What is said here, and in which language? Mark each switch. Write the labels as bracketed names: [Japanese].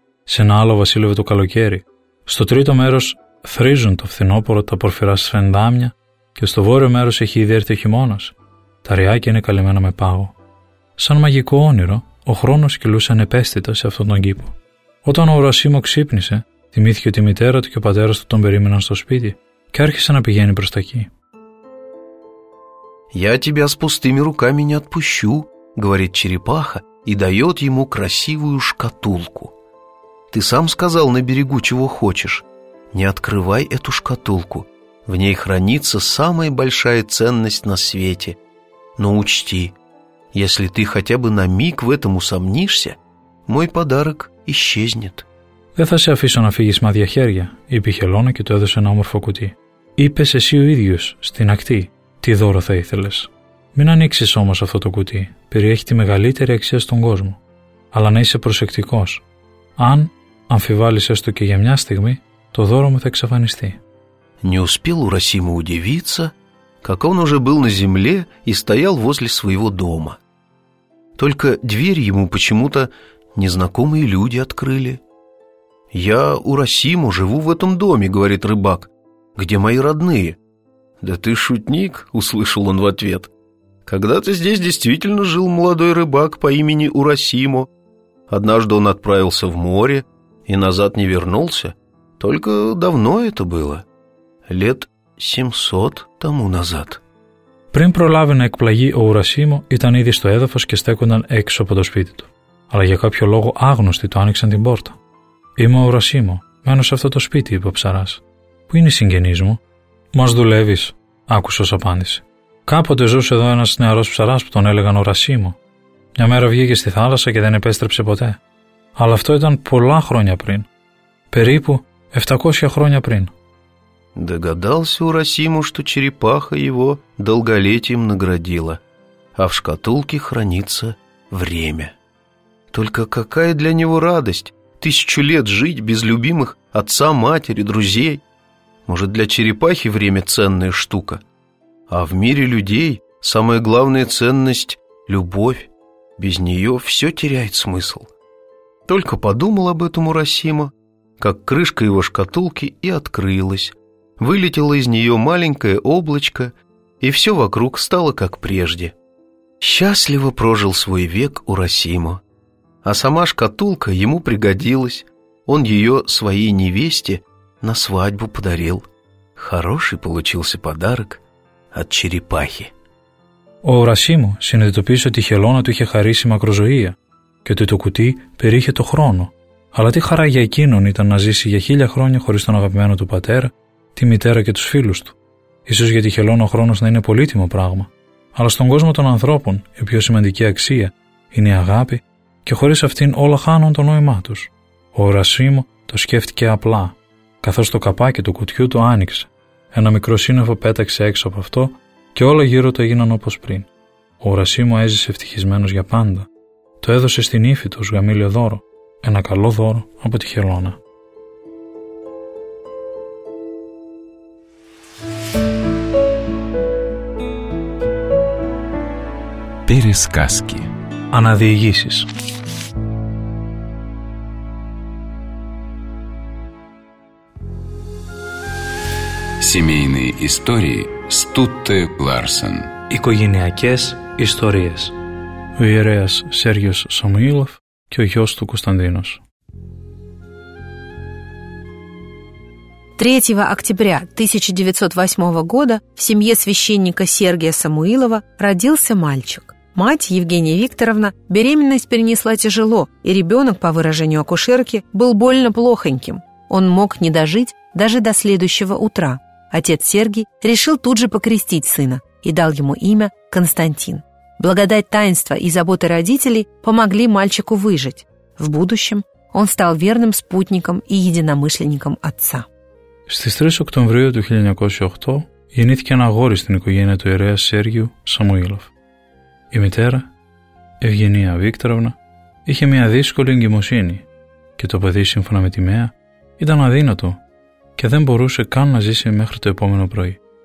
[Greek] Σε ένα άλλο βασίλευε το καλοκαίρι. Στο τρίτο μέρος θρίζουν το φθινόπωρο τα πορφυρά σφεντάμια και στο βόρειο μέρος έχει ήδη έρθει ο χειμώνας. Τα ριάκια είναι καλυμμένα με πάγο. Σαν μαγικό όνειρο, ο χρόνος κυλούσε ανεπαίσθητα σε αυτόν τον κήπο. Όταν ο Ουρασίμο ξύπνησε, θυμήθηκε ότι η μητέρα του και ο πατέρας του τον περίμεναν στο σπίτι και άρχισε να πηγαίνει προς τα εκεί. [Russian] «Я тебя с пустыми руками не отпущу», говорит черепаха и дает ему красивую шкатулку. «Ты сам сказал на берегу, чего хочешь. Не открывай эту шкатулку. В ней хранится самая большая ценность на свете. Но учти, если ты хотя бы на миг в этом усомнишься, мой подарок исчезнет». [Greek] «Δεν θα σε αφήσω να φύγεις με άδεια χέρια», είπε η χελώνα και του έδωσε ένα όμορφο κουτί. «Είπες εσύ ο ίδιος, στην ακτή, τι δώρο θα ήθελες. Μην ανοίξεις όμως αυτό το κουτί, περιέχει τη μεγαλύτερη αξία στον κόσμο. Αλλά να είσαι προσεκτικός. Αν αμφιβάλλεις έστω και για μια στιγμή, το δώρο μου θα εξαφανιστεί». [Russian] Не успел Урасимо удивиться, как он уже был на земле и стоял возле своего дома. Только дверь ему почему-то незнакомые люди открыли. «Я, Урасимо, живу в этом доме», — говорит рыбак. «Где мои родные?» «Да ты шутник», — услышал он в ответ. Когда-то здесь действительно жил молодой рыбак по имени Урасимо. Однажды он отправился в море и назад не вернулся. Только давно это было. Лет 700 тому назад. [Greek] Πριν προλάβει να εκπλαγεί ο Ουρασίμο, ήταν ήδη στο έδαφος και στέκονταν έξω από το σπίτι του. Αλλά για κάποιο λόγο άγνωστοι του άνοιξαν την πόρτα. «Είμαι ο Ουρασίμο, μένω σε αυτό το σπίτι», είπε ο ψαράς. «Πού είναι οι συγγενείς μου?» «Μας δουλεύεις», άκουσε ως απάντηση. «Κάποτε ζούσε εδώ ένας νεαρός ψαράς που τον έλεγαν Ουρασίμο. Μια μέρα βγήκε στη θάλασσα και δεν επέστρεψε ποτέ. Αλλά αυτό ήταν πολλά χρόνια πριν. Περίπου 700 χρόνια πριν». [Russian] Догадался Урасиму, что черепаха его долголетием наградила, а в шкатулке хранится время. Только какая для него радость тысячу лет жить без любимых отца, матери, друзей? Может, для черепахи время ценная штука? А в мире людей самая главная ценность – любовь. Без нее все теряет смысл. Только подумал об этом Урасима, как крышка его шкатулки и открылась. Вылетело из нее маленькое облачко, и все вокруг стало как прежде. Счастливо прожил свой век Урасимо. А сама шкатулка ему пригодилась. Он ее своей невесте на свадьбу подарил. Хороший получился подарок от черепахи. [Greek] Ο Урασίμο συνειδητοποίησε ότι η χελώνα του είχε χαρίσει μακροζωία και ότι το κουτί περίεχε το χρόνο. Αλλά τι χαρά για εκείνον ήταν να ζήσει για χίλια χρόνια χωρίς τον αγαπημένο του πατέρα, τη μητέρα και τους φίλους του. Ίσως για τη χελώνα ο χρόνος να είναι πολύτιμο πράγμα, αλλά στον κόσμο των ανθρώπων η πιο σημαντική αξία είναι η αγάπη και χωρίς αυτήν όλα χάνουν το νόημά τους. Ο Ουρασίμο το σκέφτηκε απλά, καθώς το καπάκι του κουτιού το άνοιξε. Ένα μικρό σύννεφο πέταξε έξω από αυτό και όλα γύρω του έγιναν όπως πριν. Ο Ουρασίμο έζησε ευτυχισμένος για πάντα. Το έδωσε στην ύφη του ως γαμήλιο δώρο, ένα καλό δώρο από τη χελώνα. [Russian] Пересказки. [Greek] Αναδιηγήσεις. [Russian] Семейные истории Стутте Ларсен. [Greek] Οικογενειακές ιστορίες. Ο ιερέας Σέργιος Σαμουήλοφ και ο γιος του Κωνσταντίνος. [Russian] 3 октября 1908 года в семье священника Сергия Самуилова родился мальчик. Мать Евгения Викторовна беременность перенесла тяжело, и ребенок, по выражению акушерки, был больно плохоньким. Он мог не дожить даже до следующего утра. Отец Сергий решил тут же покрестить сына и дал ему имя Константин. Благодать таинства и заботы родителей помогли мальчику выжить. В будущем он стал верным спутником и единомышленником отца. [Greek] Στις 3 Οκτωβρίου του 1908 γεννήθηκε ένα αγόρι στην οικογένεια του ιερέα Σέργιου Σαμουήλοφ. Η μητέρα, Ευγενία Βίκτοροβνα, είχε μια δύσκολη εγκυμοσύνη και το παιδί, σύμφωνα με τη Μαία, ήταν αδύνατο και δεν μπορούσε καν να ζήσει μέχρι το επόμενο πρωί.